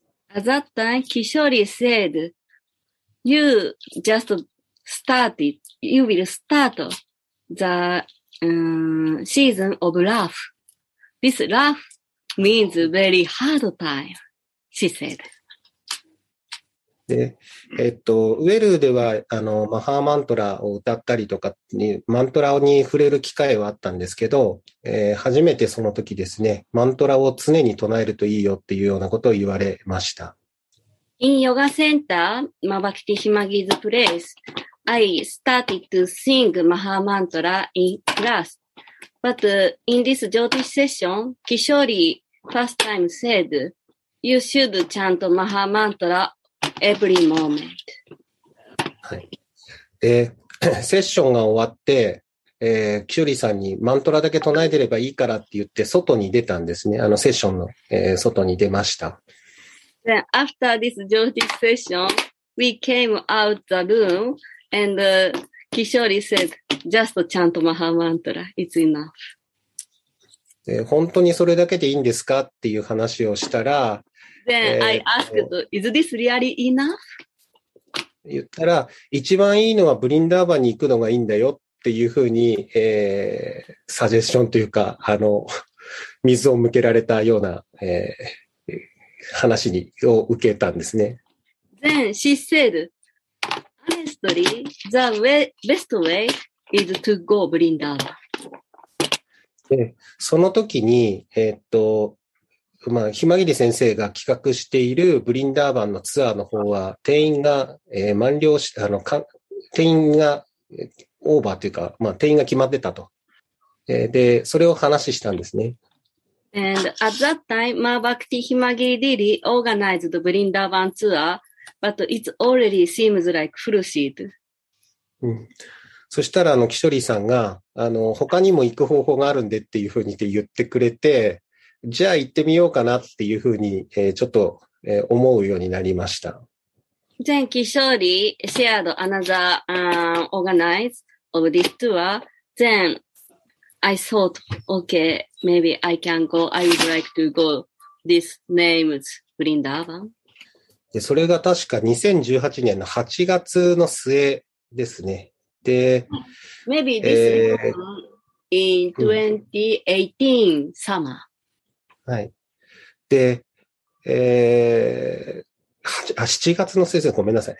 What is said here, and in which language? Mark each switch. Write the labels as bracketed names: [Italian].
[English] At that time, Kishori said, "You just started. You will start the season of laugh." This rough means very hard time, she said. [Japanese] で、ウェルでは、マハーマントラを歌ったりとかに、マントラに触れる機会はあったんですけど、初めてその時ですね、マントラを常に唱えるといいよっていうようなことを言われました。 [English] In yoga center, Mabakti Himagi's place, I started to sing Maha Mantra in class. But in this Jyotish session, Kishori first time said, "You should chant Maha Mantra every moment." [Japanese] はい。で、セッションが終わって、Kishori さんにマントラだけ唱えてればいいからって言って外に出たんですね。セッションの、外に出ました。 [English] Then after this Jyotish session, we came out the room and Kishori said. Just chant Maha Mantra. It's enough. [Japanese] 本当にそれだけでいいんですかっていう話をしたら、 [English] Then I asked, Is this really enough? [Japanese] 言ったら、一番いいのはブリンダーバンに行くのがいいんだよっていうふうに、サジェッションというか、水を向けられたような、話を受けたんですね。 [English] Then she said, Honestly, the best way. Is to go Vrindavan. [Japanese] その時に、まあ、ひまぎり先生が企画しているブリンダーバンのツアーの方は、定員が、満了し、定員がオーバーというか、まあ、定員が決まってたと。で、それを話したんですね。 [English] And at that time, Ma Bhakti Himagiri Didi organized the Vrindavan tour, but it already seems like full seat. [Japanese] うん。そしたら、キショリーさんが、他にも行く方法があるんでっていうふうに言ってくれて、じゃあ行ってみようかなっていうふうに、ちょっと、思うようになりました。 [English] 前期勝利 shared another organize of this tour. Then I thought, okay, maybe I can go. I would like to go. This name is Vrindavan. [Japanese] で、それが確か2018年の8月の末ですね。で、 [English] maybe this one in 2018 summer. [Japanese] はい。で、7月の末ですね。ごめんなさい。